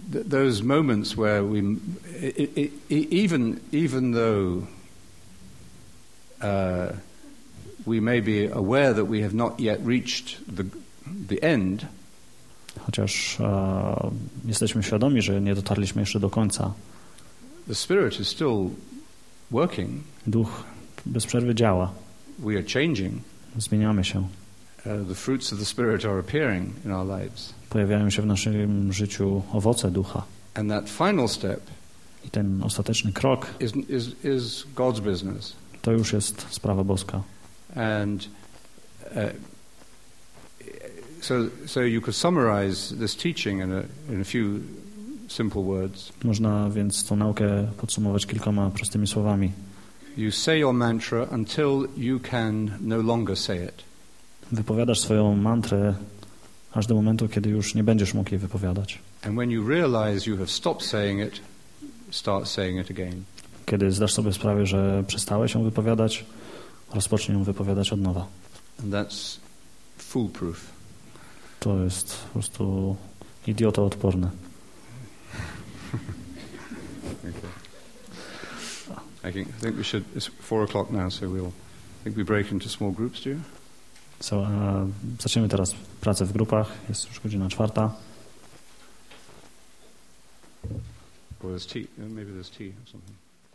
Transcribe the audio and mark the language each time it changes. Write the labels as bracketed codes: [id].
[en] Those moments where we even though we may be aware that we have not yet reached the end, [pl] chociaż jesteśmy świadomi, że nie dotarliśmy jeszcze do końca, [en] the spirit is still working. [pl] Duch bez przerwy działa. [en] We are changing. [pl] Zmieniamy się. [en] The fruits of the spirit are appearing in our lives. [pl] Pojawiają się w naszym życiu owoce ducha. [en] And that final step, [pl] i ten ostateczny krok, [en] is God's business. [pl] To już jest sprawa Boska. [en] And so you could summarize this teaching in a few simple words. [pl] Można więc tą naukę podsumować kilkoma prostymi słowami. [en] You say your mantra until you can no longer say it. [pl] Wypowiadasz swoją mantrę aż do momentu, kiedy już nie będziesz mógł jej wypowiadać. [en] And when you realize you have stopped saying it, start saying it again. [pl] Kiedy zdasz sobie sprawę, że przestałeś ją wypowiadać, rozpocznij ją wypowiadać od nowa. [en] And that's foolproof. [pl] To jest po prostu idiota odporny. [en] Okay. I think we should. It's 4 o'clock now, so we'll. I think we break into small groups, do you? [pl] So, zaczniemy teraz pracę w grupach. Jest już godzina czwarta. [en] Well, there's tea. Maybe there's tea or something.